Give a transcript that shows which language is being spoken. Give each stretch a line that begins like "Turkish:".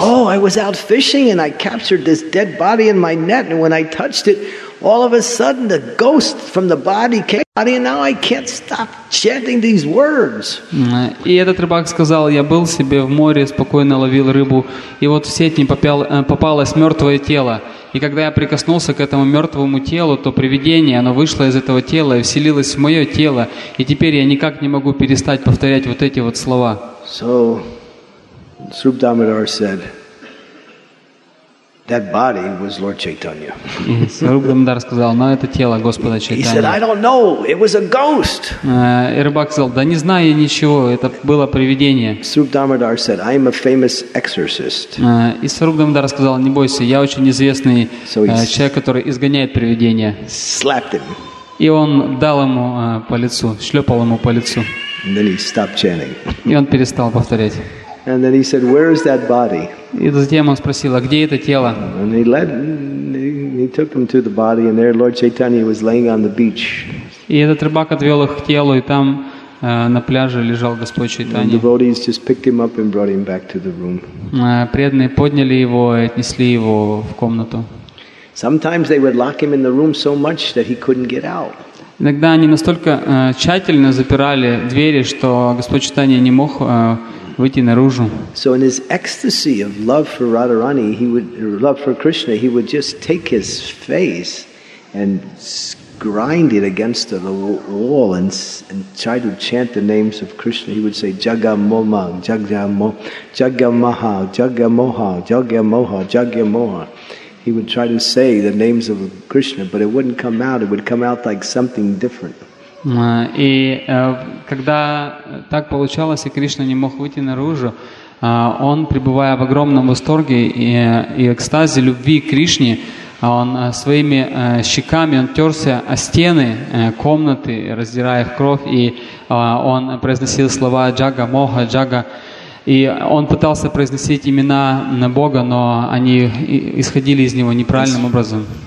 English: Oh, I was out fishing and I captured this dead body in my net, and when I touched it, all of a sudden the ghost from the body came out, and now I can't stop chanting these words.
Russian: И этот рыбак сказал: я был себе в море, спокойно ловил рыбу, и вот в сеть не попалось мертвое тело. И когда я прикоснулся к этому мертвому телу, то привидение, оно вышло из этого тела и вселилось в мое тело. И теперь я никак не могу перестать повторять вот эти вот слова.
English: So, Srup Damodar said, that body was Lord Chaitanya.
Russian: Srup Damodar сказал, но это тело Господа Чайтаньи.
English: He said, I don't know, it was a ghost.
Russian: И рыбак сказал, да не знаю я ничего, это было привидение.
English: Srup Damodar said, I am a famous exorcist.
Russian: И Srup Damodar сказал, не бойся, я очень известный человек, который изгоняет привидения.
English: Slapped him.
Russian: И он дал ему по лицу, шлепал ему по лицу.
English: And then he stopped chanting.
Russian: И он перестал повторять.
English: And then he said, "Where is that body?"
Russian: И затем он спросил, а где это тело?
English: And he took them to the body, and there Lord Chaitanya was laying on the beach.
Russian: И этот рыбак отвел их к телу, и там на пляже лежал Господь Чайтанья.
English: The devotees just picked him up and brought him back to the room.
Russian: Преданные подняли его и отнесли его в комнату.
English: Sometimes they would lock him in the room so much that he couldn't get out.
Russian: Иногда они настолько тщательно запирали двери, что Господь Чайтанья не мог выйти наружу.
English: So in his ecstasy of love for Radharani, love for Krishna, he would just take his face and grind it against the wall and try to chant the names of Krishna. He would say Jagamoha, Jagamoha, Jagamoha, Jagamoha, Jagamoha. He would try to say the names of Krishna, but it wouldn't come out. It would come out like something different.
Russian: И когда так получалось, и Кришна не мог выйти наружу, он, пребывая в огромном восторге и экстазе любви к Кришне, он своими щеками, он терся о стены комнаты, раздирая их кровь, и он произносил слова «Джага, Моха, Джага», и он пытался произносить имена на Бога, но они исходили из него неправильным образом.